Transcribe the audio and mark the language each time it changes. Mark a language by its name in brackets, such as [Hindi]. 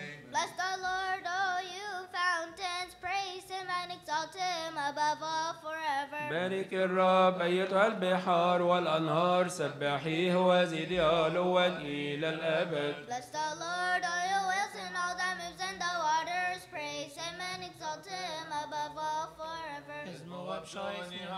[English] Bless the Lord, O you fountains, praise him and exalt him above all forever. [Arabic] بارك الرب أيتها البحار والأنهار سبحيه وزيدي علوا إلى الأبد. [English] Bless the Lord, O you whales and all that moves in the waters, praise him and exalt him above all forever.